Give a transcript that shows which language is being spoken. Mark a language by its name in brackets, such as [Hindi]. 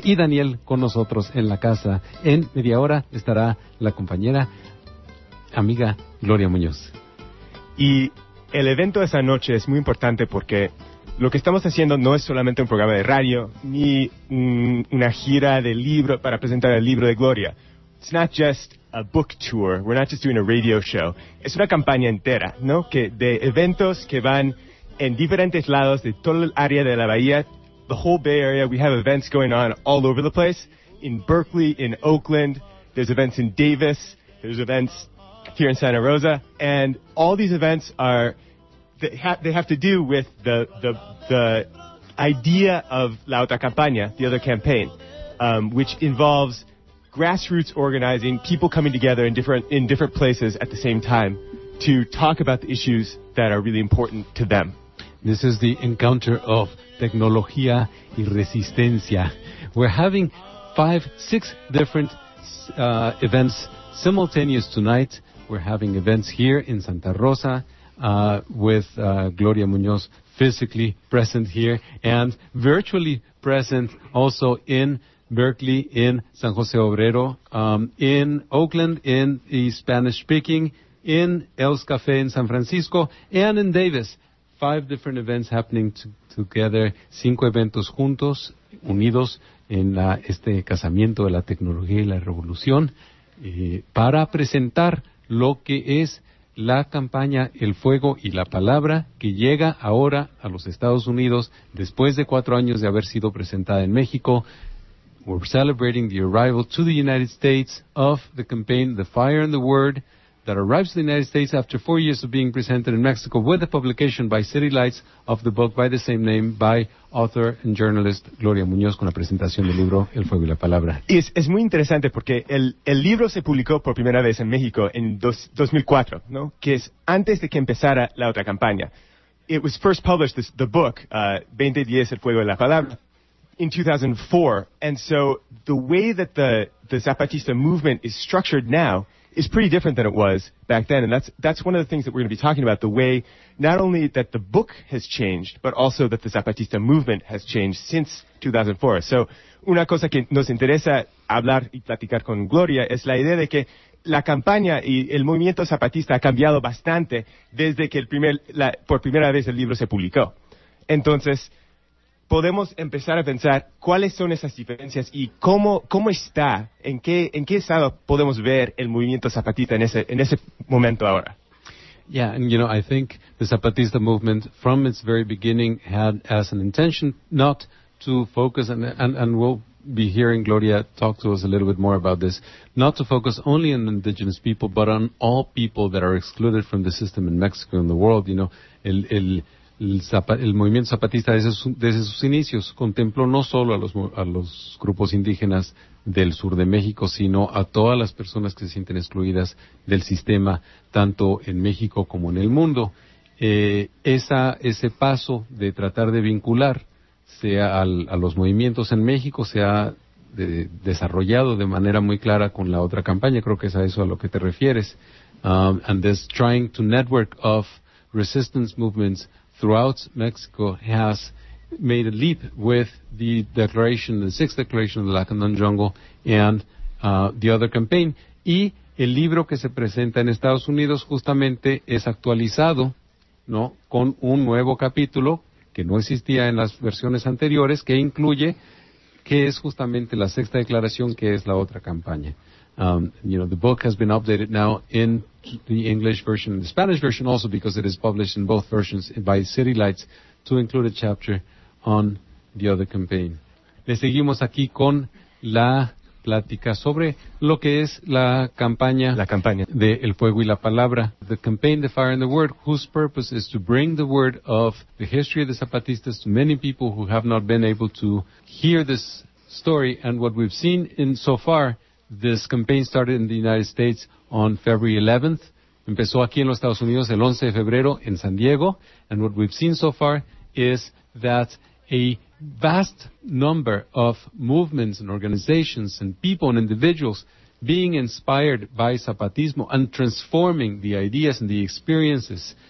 [Spanish] Y Daniel con nosotros en la casa. En media hora estará la compañera, amiga Gloria Muñoz. Y el evento de esa noche es muy importante porque lo que estamos haciendo no es solamente un programa de radio, ni una gira de libro para presentar el libro de Gloria. [English] It's not just a book tour, we're not just doing a radio show. [Spanish] Es una campaña entera, ¿no? Que de eventos que van en diferentes lados de toda el área de la bahía. [English] The whole Bay Area, we have events going on all over the place. In Berkeley, in Oakland, there's events in Davis, there's events here in Santa Rosa. And all these events are They have to do with the idea of La Otra Campaña, the other campaign, which involves grassroots organizing, people coming together in different places at the same time to talk about the issues that are really important to them. This is the encounter of tecnología y resistencia. We're having 5-6 different events simultaneous tonight. We're having events here in Santa Rosa, with Gloria Muñoz physically present here and virtually present also in Berkeley, in San Jose Obrero, in Oakland, in the Spanish-speaking, in El's Café in San Francisco, and in Davis. 5 different events happening together, [Spanish] 5 eventos juntos, unidos en este casamiento de la tecnología y la revolución, para presentar lo que es la campaña El Fuego y la Palabra, que llega ahora a los Estados Unidos después de 4 años de haber sido presentada en México. [English] We're celebrating the arrival to the United States of the campaign The Fire and the Word that arrives to the United States after 4 years of being presented in Mexico, with a publication by City Lights of the book by the same name by author and journalist Gloria Muñoz, [Spanish] con la presentación del libro El Fuego y la Palabra. Y es muy interesante porque el libro se publicó por primera vez en México en 2004, ¿no? Que es antes de que empezara la otra campaña. [English] It was first published, the book, 2010, El Fuego y la Palabra, in 2004. And so the way that the Zapatista movement is structured now is pretty different than it was back then. And that's one of the things that we're going to be talking about, the way not only that the book has changed, but also that the Zapatista movement has changed since 2004. [Spanish] So una cosa que nos interesa hablar y platicar con Gloria es la idea de que la campaña y el movimiento zapatista ha cambiado bastante desde que por primera vez el libro se publicó. Entonces, podemos empezar a pensar cuáles son esas diferencias y cómo está, en qué estado podemos ver el movimiento zapatista en ese momento ahora. [English] Yeah, and you know, I think the Zapatista movement from its very beginning had as an intention not to focus, and we'll be hearing Gloria talk to us a little bit more about this, not to focus only on indigenous people, but on all people that are excluded from the system in Mexico and the world. You know, [Spanish] el movimiento zapatista desde sus inicios contempló no solo a los grupos indígenas del sur de México, sino a todas las personas que se sienten excluidas del sistema, tanto en México como en el mundo. Ese paso de tratar de vincular sea a los movimientos en México se ha desarrollado de manera muy clara con la otra campaña, creo que es a eso a lo que te refieres. [English] And this trying to network of resistance movements throughout Mexico has made a leap with the declaration, the sixth declaration of the Lackandon Jungle and the other campaign. [Spanish] Y el libro que se presenta en Estados Unidos justamente es actualizado, ¿no?, con un nuevo capítulo que no existía en las versiones anteriores, que incluye que es justamente la sexta declaración, que es la otra campaña. [English] You know, the book has been updated now in the English version and the Spanish version also, because it is published in both versions by City Lights, to include a chapter on the other campaign. [Spanish] Le seguimos aquí con la plática sobre lo que es la campaña de El Fuego y la Palabra. [English] The campaign, The Fire and the Word, whose purpose is to bring the word of the history of the Zapatistas to many people who have not been able to hear this story. And what we've seen in so far, this campaign started in the United States on February 11th. [Spanish] Empezó aquí en los Estados Unidos el 11 de febrero en San Diego. [English] And what we've seen so far is that a vast number of movements and organizations and people and individuals being inspired by Zapatismo and transforming the ideas and the experiences.